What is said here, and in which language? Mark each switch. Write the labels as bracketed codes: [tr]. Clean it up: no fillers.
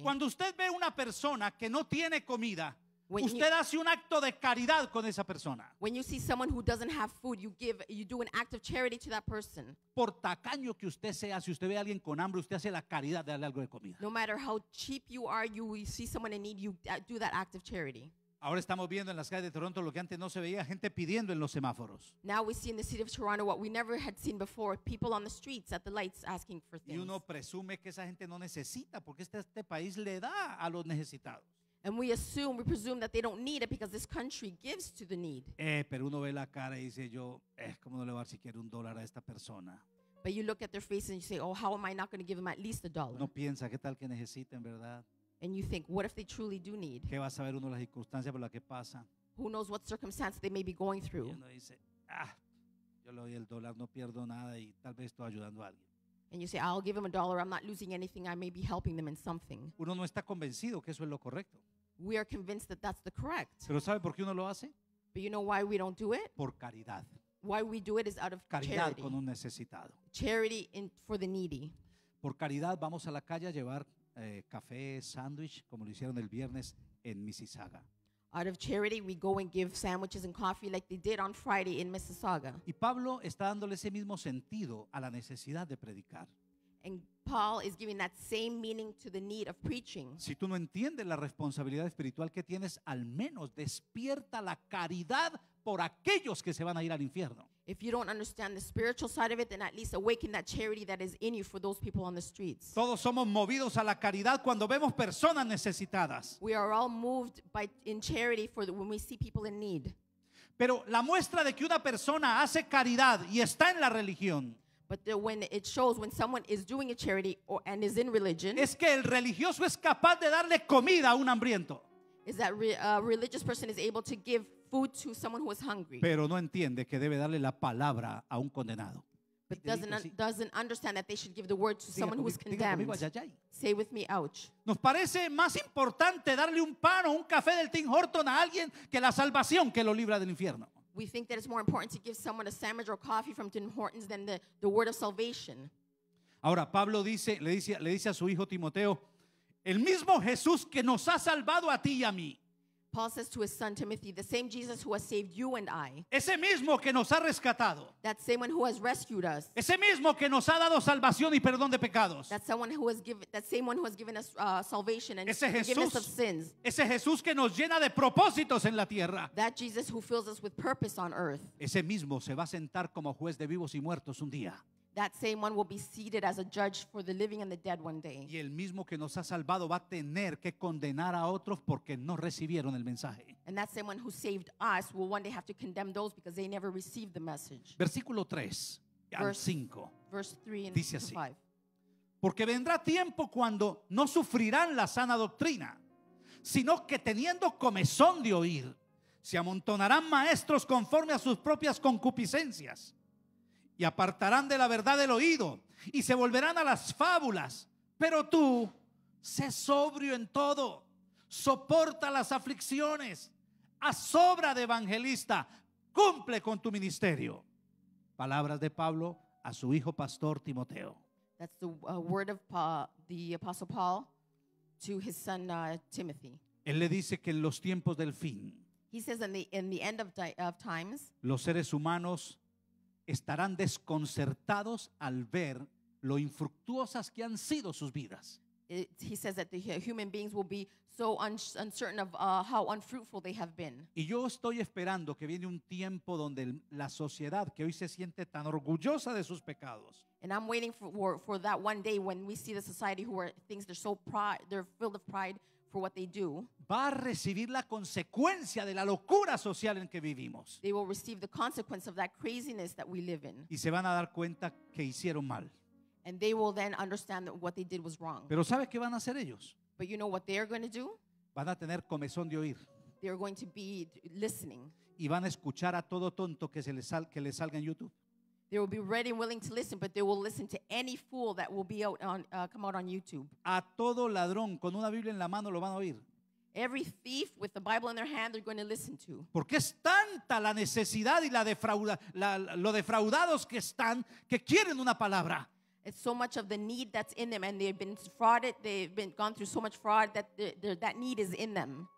[es] Cuando usted ve una persona que no tiene comida, hace un acto de caridad con esa persona. [en] When you see someone who doesn't have food, you do an act of charity to that person. [es] Por tacaño que usted sea, si usted ve a alguien con hambre, usted hace la caridad de darle algo de comida. [en] No matter how cheap you are, you see someone in need, you do that act of charity. [es] Ahora estamos viendo en las calles de Toronto lo que antes no se veía, gente pidiendo en los semáforos. [en] Now we see in the city of Toronto what we never had seen before, people on the streets at the lights asking for things. [es] Y uno presume que esa gente no necesita porque este país le da a los necesitados. [en] And we presume that they don't need it because this country gives to the need. [es] Pero uno ve la cara y dice yo, ¿cómo no le voy a dar siquiera un dólar a esta persona? [en] But you look at their faces and you say, oh, how am I not going to give them at least a dollar? [es] No piensa qué tal que necesiten, ¿verdad? [en] And you think, what if they truly do need? [es] ¿Qué va a saber uno de las circunstancias por las que pasa? [en] Who knows what circumstance they may be going through? [es] Y uno dice, yo le doy el dólar, no pierdo nada y tal vez estoy ayudando a alguien. [en] And you say, I'll give them a dollar, I'm not losing anything, I may be helping them in something. [es] Uno no está convencido que eso es lo correcto. [en] We are convinced that that's the correct. [es] ¿Pero sabe por qué uno lo hace? [en] But you know why we don't do it? [es] Por caridad. [en] Why we do it is out of [es] caridad [en] charity. [es] Caridad con un necesitado. [en] Charity for the needy. [es] Por caridad vamos a la calle a llevar café, sándwich, como lo hicieron el viernes en Mississauga. [en] Out of charity, we go and give sandwiches and coffee like they did on Friday in Mississauga. [es] Y Pablo está dándole ese mismo sentido a la necesidad de predicar. [en] And Paul is giving that same meaning to the need of preaching. [es] Si tú no entiendes la responsabilidad espiritual que tienes, al menos despierta la caridad por aquellos que se van a ir al infierno. [en] If you don't understand the spiritual side of it, then at least awaken that charity that is in you for those people on the streets. [es] Todos somos movidos a la caridad cuando vemos personas necesitadas. [en] We are all moved in charity when we see people in need. [es] Pero la muestra de que una persona hace caridad y está en la religión. [en] But when it shows when someone is doing a charity and is in religion. [es] Es que el religioso es capaz de darle comida a un hambriento. [en] Is that a religious person is able to give food to someone who is hungry. [es] Pero no entiende que debe darle la palabra a un condenado. [en] But doesn't understand that they should give the word to someone who is condemned. Say with me, ouch. [es] Nos parece más importante darle un pan o un café del Tim Horton a alguien que la salvación que lo libra del infierno. [en] We think that it's more important to give someone a sandwich or coffee from Tim Hortons than the word of salvation. [es] Ahora Pablo le dice a su hijo Timoteo, el mismo Jesús que nos ha salvado a ti y a mí. [en] Paul says to his son Timothy, the same Jesus who has saved you and I. [es] Ese mismo que nos ha rescatado. [en] That same one who has rescued us. [es] Ese mismo que nos ha dado salvación y perdón de pecados. [en] That same one who has given us salvation and [es] ese Jesús, [en] forgiveness of sins. [es] Ese Jesús que nos llena de propósitos en la tierra. [en] That Jesus who fills us with purpose on earth. [es] Ese mismo se va a sentar como juez de vivos y muertos un día. [en] That same one will be seated as a judge for the living and the dead one day. [es] Y el mismo que nos ha salvado va a tener que condenar a otros porque no recibieron el mensaje. [en] And that same one who saved us will one day have to condemn those because they never received the message. [es] Versículo 3 [en] verse 3 and 5. [es] Porque vendrá tiempo cuando no sufrirán la sana doctrina, sino que teniendo comezón de oír, se amontonarán maestros conforme a sus propias concupiscencias. Y apartarán de la verdad el oído y se volverán a las fábulas. Pero tú, sé sobrio en todo, soporta las aflicciones, haz obra de evangelista, cumple con tu ministerio. Palabras de Pablo a su hijo pastor Timoteo. [en] That's the word of Paul, the apostle Paul to his son Timothy. [es] Él le dice que en los tiempos del fin, [en] he says in the end of times, [es] los seres humanos estarán desconcertados al ver lo infructuosas que han sido sus vidas. [en] He says that the human beings will be so uncertain of how unfruitful they have been. [es] Y yo estoy esperando que viene un tiempo donde la sociedad que hoy se siente tan orgullosa de sus pecados. [en] And I'm waiting for that one day when we see the society who thinks they're so pride, they're filled of pride for what they do. [es] Va a recibir la consecuencia de la locura social en que vivimos. [en] They will receive the consequence of that craziness that we live in. [es] Y se van a dar cuenta que hicieron mal. [en] And they will then understand that what they did was wrong. [es] Pero ¿sabes qué van a hacer ellos? [en] But you know what they are going to do? [es] Van a tener comezón de oír. [en] They are going to be listening. [es] Y van a escuchar a todo tonto que les salga en YouTube. [en] They will be ready and willing to listen, but they will listen to any fool that will be out on come out on YouTube. [es] A todo ladrón con una Biblia en la mano lo van a oír. [en] Every thief with the Bible in their hand, they're going to listen to. [es] Porque es tanta la necesidad y lo defraudados que están que quieren una palabra. [en] It's so much of the need that's in them, and they've been defrauded. They've been gone through so much fraud that that need is in them.